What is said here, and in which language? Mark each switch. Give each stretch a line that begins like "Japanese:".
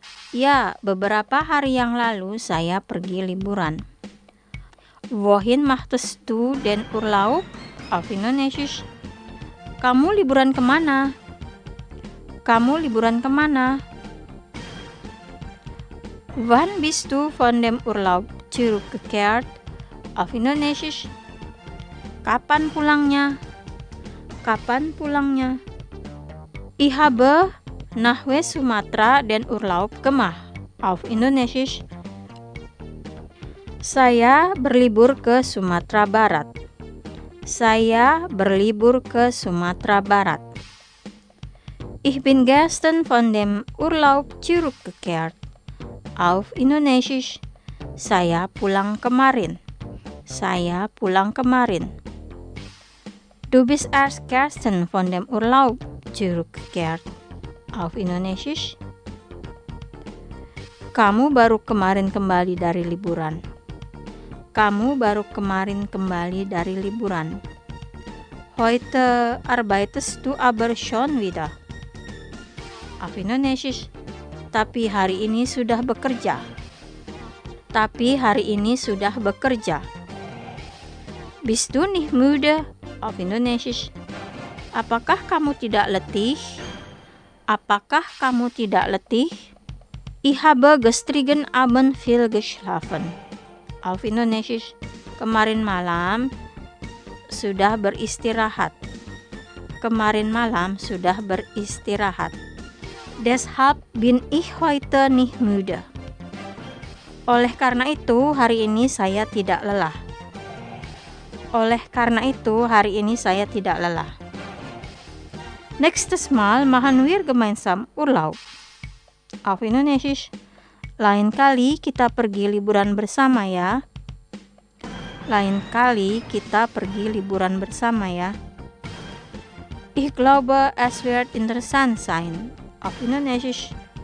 Indonesian: Ja, beberapa hari yang lalu saya pergi liburan.
German: Wohin machtest du den Urlaub? Auf Indonesisch,
Indonesian: kamu liburan kemana? Kamu liburan kemana?
German: Wann bist du von dem Urlaub zurückgekehrt? Auf Indonesisch,
Indonesian: kapan pulangnya? Kapan pulangnya?
German: Ich habe nach West Sumatra den Urlaub gemacht. Auf Indonesisch,
Indonesian: saya berlibur ke Sumatra Barat. Saya berlibur ke Sumatra Barat.
German: Ich bin gestern von dem Urlaub zurückgekehrt. Auf Indonesisch,
Indonesian: saya pulang kemarin. Saya pulang kemarin.
German: Du bist als Gästen von dem Urlaub zurückgekehrt auf Indonesisch?
Indonesian: Kamu baru kemarin kembali dari liburan. Kamu baru kemarin kembali dari liburan.
German: Heute arbeitest du aber schon wieder. Auf Indonesisch.
Indonesian: Tapi hari ini sudah bekerja. Tapi hari ini sudah bekerja.
German: Bist du nicht müde? Auf Indonesisch.
Indonesian: Apakah kamu tidak letih? Apakah kamu tidak letih?
German: Ich habe gestrigen Abend viel geschlafen. Auf Indonesisch.
Indonesian: Kemarin malam sudah beristirahat. Kemarin malam sudah beristirahat.
German: Deshalb bin ich heute nicht müde.
Indonesian: Oleh karena itu, hari ini saya tidak lelah. Oleh karena itu, hari ini saya tidak lelah.
German: Nächstes Mal machen wir gemeinsam Urlaub. Auf Indonesisch.
Indonesian: Lain kali kita pergi liburan bersama ya. Lain kali kita pergi liburan bersama ya.
German: Ich glaube, es wird interessant sein. Auf Indonesisch.